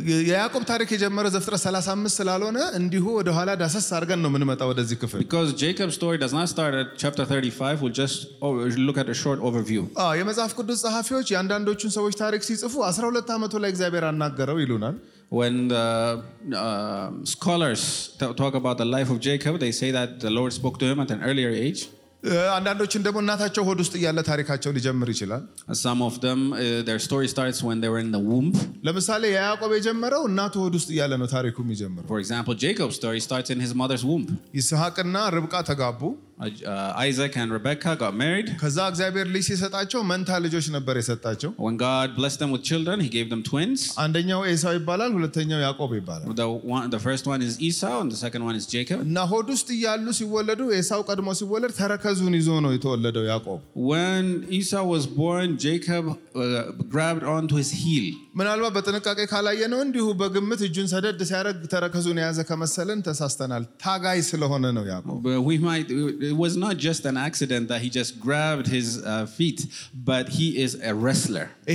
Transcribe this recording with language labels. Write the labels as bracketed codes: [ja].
[am] ያዕቆብ ታሪክ የጀመረው ዘፍጥረት 35 ስላልሆነ እንዲሁ ወደ ኋላ ዳሰስ አርገን ነው የምንመጣው ወደዚህ ክፍል [en] because Jacob's story does not start at chapter 35 we'll just look at a short overview [am] የመጽሐፍ ቅዱስ ጸሐፊዎች ያንዳንዶቹን ሰዎች ታሪክ ሲጽፉ 12 ዓመቱ ላይ እግዚአብሔር አናገረው ይሉናል [en] When the scholars talk about the life of Jacob they say that the Lord spoke to him at an earlier age [am] አንዳንዶችን ደግሞ እናታቸው ሆድ ውስጥ ያለ ታሪካቸው ሊጀምር ይችላል [en] some of them their story starts when they were in the womb [am] ለምሳሌ ያዕቆብ የጀመረው እናቱ ሆድ ውስጥ ያለ ነው ታሪኩ የሚጀምረው [en] for example Jacob's story starts in his mother's womb [am] ይስሐቅና ርብቃ ተጋቡ [en] Isaac and Rebecca got married [am] ከዛ እግዚአብሔር ልጅ ሲሰጣቸው መንታ ልጆች ነበር የሰጣቸው [en] when God blessed them with children he gave them twins [am] አንደኛው ኤሳው ይባላል ሁለተኛው ያዕቆብ ይባላል [en] the first one is Esau and the second one is Jacob [am] እና ሆድ ውስጥ ያሉ ሲወለዱ ኤሳው ቀድሞ ሲወለድ ተረከዙን ይዞ ነው የተወለደው ያዕቆብ [en] when Esau was born Jacob grabbed onto his heel [am] ምናልባት በጥንቃቄ ካላየነው እንዲሁ በግምት እጁን ሰደድ ሲያረግ ተረከዙን ያዘ ከመሰለን ተሳስተናል ታጋይ ስለሆነ ነው ያዕቆብ [en] It was not just an accident that he just grabbed his feet, but he is a wrestler.